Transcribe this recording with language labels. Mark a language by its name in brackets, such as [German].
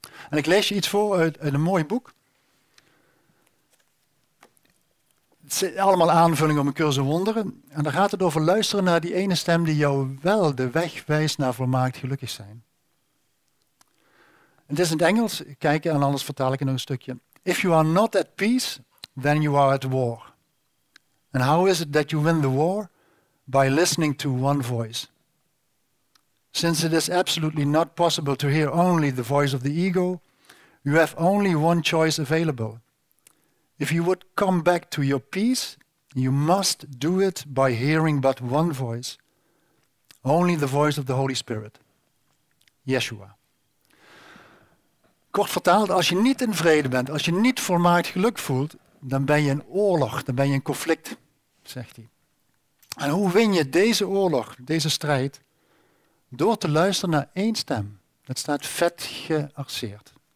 [Dutch] En ik lees je iets voor uit een mooi boek. Het zijn allemaal aanvullingen op een cursus wonderen. En daar gaat het over luisteren naar die ene stem die jou wel de weg wijst naar volmaakt gelukkig zijn. En het is in het Engels, kijk, en anders vertaal ik het nog een stukje. [English] If you are not at peace, then you are at war. And how is it that you win the war? By listening to one voice. Since it is absolutely not possible to hear only the voice of the ego, you have only one choice available. If you would come back to your peace, you must do it by hearing but one voice, only the voice of the Holy Spirit, Yeshua. [Dutch] Kort vertaald, als je niet in vrede bent, als je niet volmaakt geluk voelt, dan ben je in oorlog, dan ben je in conflict, zegt hij. En hoe win je deze oorlog, deze strijd? Door te luisteren naar één stem. Dat staat vet gearseerd.